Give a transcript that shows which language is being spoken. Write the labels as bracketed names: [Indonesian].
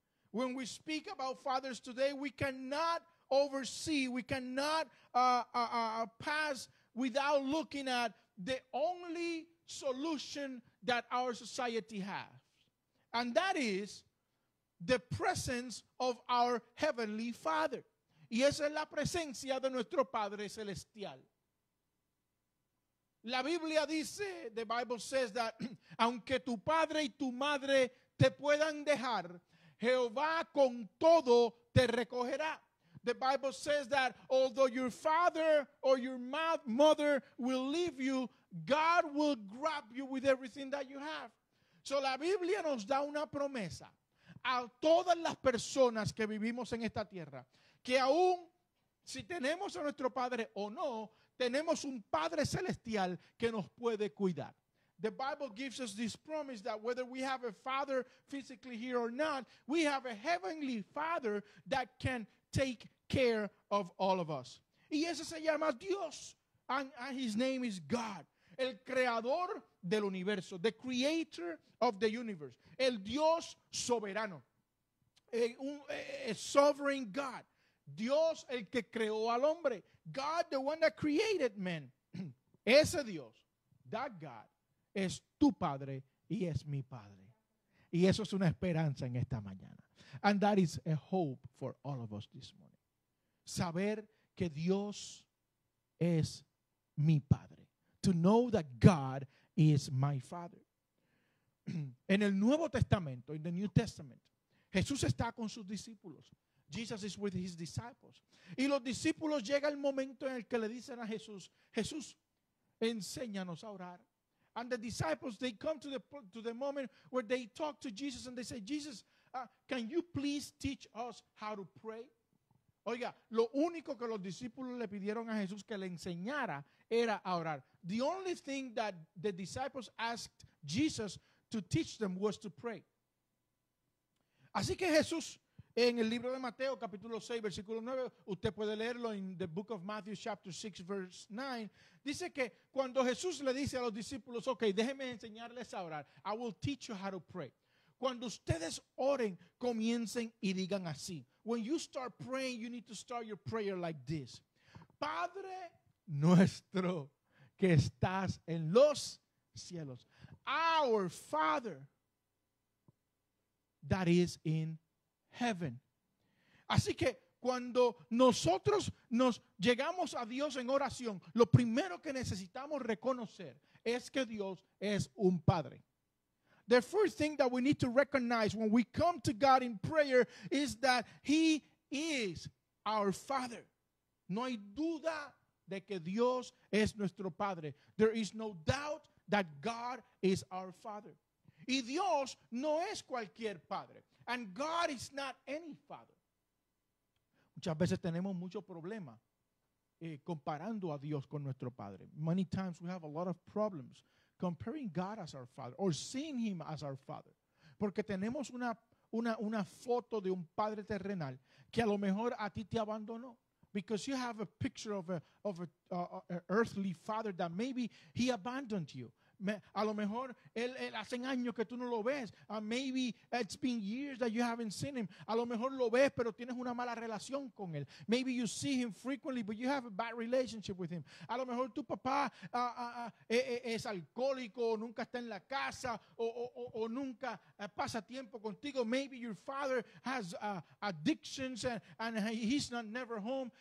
[English] When we speak about fathers today, we cannot oversee, we cannot pass without looking at the only solution that our society has. And that is the presence of our Heavenly Father. [Spanish] Y esa es la presencia de nuestro Padre Celestial. La Biblia dice, [English] the Bible says that, [Spanish] aunque tu padre y tu madre te puedan dejar, Jehová con todo te recogerá. [English] The Bible says that although your father or your mother will leave you, God will grab you with everything that you have. [Spanish] So la Biblia nos da una promesa a todas las personas que vivimos en esta tierra, que aún si tenemos a nuestro padre o no, tenemos un Padre Celestial que nos puede cuidar. [English] The Bible gives us this promise that whether we have a father physically here or not, we have a heavenly father that can take care of all of us. [Spanish] Y ese se llama Dios, [English] and his name is God, [Spanish] el creador del universo, [English] the creator of the universe, [Spanish] el Dios soberano, [English] a sovereign God. [Spanish] Dios, el que creó al hombre. [English] God, the one that created man. [Spanish] Ese Dios, [English] that God, [Spanish] es tu padre y es mi padre. Y eso es una esperanza en esta mañana. [English] And that is a hope for all of us this morning. [Spanish] Saber que Dios es mi padre. [English] To know that God is my father. [Spanish] En el Nuevo Testamento, [English] in the New Testament, [Spanish] Jesús está con sus discípulos. [English] Jesus is with his disciples. [Spanish] Y los discípulos llega el momento en el que le dicen a Jesús, Jesús, enséñanos a orar. [English] And the disciples, they come to the moment where they talk to Jesus and they say, Jesus, can you please teach us how to pray? [Spanish] Oiga, lo único que los discípulos le pidieron a Jesús que le enseñara era a orar. [English] The only thing that the disciples asked Jesus to teach them was to pray. [Spanish] Así que Jesús, en el libro de Mateo, capítulo 6, versículo 9, usted puede leerlo en [English] the book of Matthew, chapter 6, verse 9. [Spanish] Dice que cuando Jesús le dice a los discípulos, ok, déjenme enseñarles a orar. [English] I will teach you how to pray. [Spanish] Cuando ustedes oren, comiencen y digan así. [English] When you start praying, you need to start your prayer like this. [Spanish] Padre nuestro que estás en los cielos. [English] Our Father that is in heaven. [Spanish] Así que cuando nosotros nos llegamos a Dios en oración, lo primero que necesitamos reconocer es que Dios es un padre. [English] The first thing that we need to recognize when we come to God in prayer is that He is our Father. [Spanish] No hay duda de que Dios es nuestro padre. [English] There is no doubt that God is our Father. [Spanish] Y Dios no es cualquier padre. [English] And God is not any father. [Spanish] Muchas veces tenemos mucho problema comparando a Dios con nuestro padre. [English] Many times we have a lot of problems comparing God as our father or seeing him as our father. [Spanish] Porque tenemos una foto de un padre terrenal que a lo mejor a ti te abandonó. [English] Because you have a picture of an earthly father that maybe he abandoned you. [Spanish] A lo mejor él hacen años que tú no lo ves. [English] Maybe it's been years that you haven't seen him. [Spanish] A lo mejor lo ves, pero tienes una mala relación con él. [English] Maybe you see him frequently, but you have a bad relationship with him. [Spanish] A lo mejor tu papá es alcohólico, o nunca está en la casa, o nunca pasa tiempo contigo. [English] Maybe your father has addictions and he's not never home.